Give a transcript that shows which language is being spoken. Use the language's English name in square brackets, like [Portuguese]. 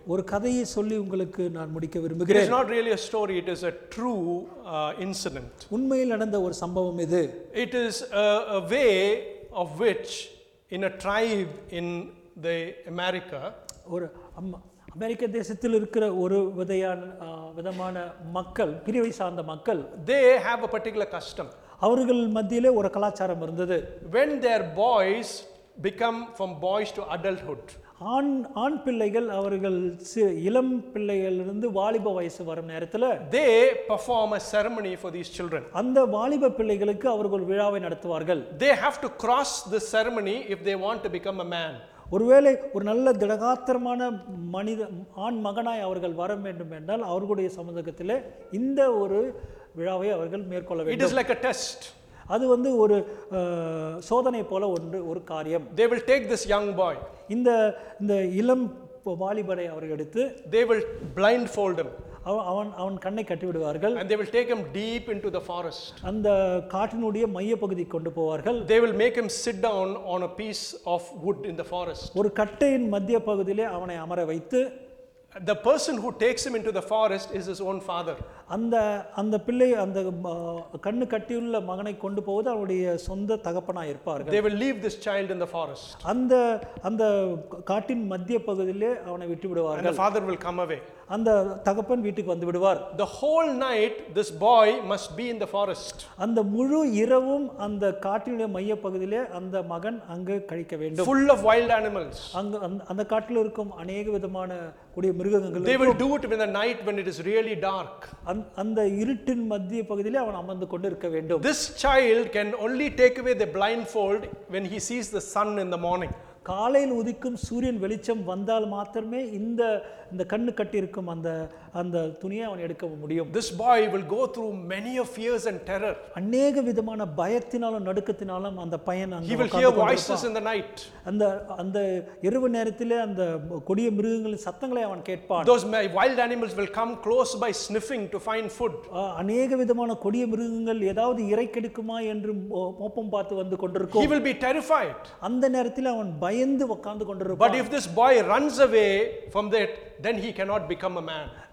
[Tamil] ஒரு கதையை சொல்லி உங்களுக்கு நான் முடிக்க விரும்புகிறேன். [English] It is not really a story, it is a true incident. [Tamil] உண்மையில் நடந்த ஒரு சம்பவம் இது. [English] It is a way of which in a tribe in the America. [Tamil] ஒரு அமெரிக்க தேசத்தில் இருக்கிற ஒரு விதமான மக்கள், பிரிவை சார்ந்த மக்கள், [English] they have a particular custom. [Tamil] அவர்கள் மத்தியிலே ஒரு கலாச்சாரம் இருந்தது. [English] When their boys become from boys to adulthood. [Tamil] ஆண் பிள்ளைகள் அவர்கள் இளம் பிள்ளைகளிலிருந்து வாலிப வயசு வரும் நேரத்தில் [English] they perform a ceremony for these children. [Tamil] அந்த வாலிப பிள்ளைகளுக்கு அவர்கள் விழாவை நடத்துவார்கள். [English] They have to cross the ceremony if they want to become a man. [Tamil] ஒருவேளை ஒரு நல்ல திடகாத்திரமான மனித ஆண் மகனாய் அவர்கள் வர வேண்டும் என்றால் அவர்களுடைய சமூகத்தில் இந்த ஒரு விழாவை அவர்கள் மேற்கொள்ள வேண்டும். [English] It is like a test. [Tamil] அது வந்து ஒரு சோதனை போல ஒன்று ஒரு காரியம். [English] They will take this young boy. [Tamil] இந்த இந்த இளம் வாலிபரை அவர்கள் எடுத்து [English] They will blindfold him. [Tamil] அவன் கண்ணை கட்டி விடுவார்கள். [English] And they will take him deep into the forest. [Tamil] அந்த காட்டினுடைய மையப்பகுதி கொண்டு போவார்கள். [English] They will make him sit down on a piece of wood in the forest. [Tamil] ஒரு கட்டையின் மத்திய பகுதியிலே அவனை அமர வைத்து [English] The person who takes him into the forest is his own father. [Tamil] அந்த பிள்ளை அந்த கண்ணு கட்டியுள்ள மகனை கொண்டு போவது அவருடைய சொந்த தகப்பனாய் இருப்பார்கள். [English] They will leave this child in the forest. [Tamil] அந்த காட்டின் மத்திய பகுதியிலே அவனை விட்டு விடுவார்கள். [English] And the father will come away. [Tamil] அந்த தகப்பன் வீட்டுக்கு வந்து விடுவார். [English] The whole night this boy must be in the forest. [Tamil] அந்த முழு இரவும் அந்த காட்டினுடைய மைய பகுதியிலே அந்த மகன் அங்கு கழிக்க வேண்டும். [English] Full of wild animals. [Tamil] அங்கு அந்த காட்டில் இருக்கும் அநேக விதமான கூடிய மிருகங்கள். [English] They will do it in the night when it is really dark. [Tamil] அந்த இருட்டின் மத்திய பகுதியிலே அவன் அமர்ந்து கொண்டிருக்க வேண்டும். [English] This child can only take away the blindfold when he sees the sun in the morning. [Tamil] காலையில் உதிக்கும் சூரியன் வெளிச்சம் வந்தால் மாத்திரமே இந்த இந்த கண்ணு கட்டியிருக்கும் அந்த அந்த துணியை அவன் எடுக்க முடியும். [English] This boy will go through many of fears and terror. [Tamil] அநேக விதமான பயத்தினாலும் நடுக்கத்தினாலும் அந்த பையன் அங்கே உட்கார்ந்து [English] He will hear voices in the night. [Tamil] அந்த அந்த இரவு நேரத்திலே அந்த கொடிய மிருகங்களின் சத்தங்களை அவன் கேட்பான். [English] Those wild animals will come close by sniffing to find food. [Tamil] அநேக விதமான கொடிய மிருகங்கள் ஏதாவது இறை கிடைக்குமா என்று மோப்பம் பார்த்து வந்து கொண்டிருக்கும். [English] He will be terrified. [Tamil] அந்த நேரத்தில் அவன் பயந்து உட்கார்ந்து கொண்டிருப்பான். [English] But if this boy runs away from that then he cannot become a man.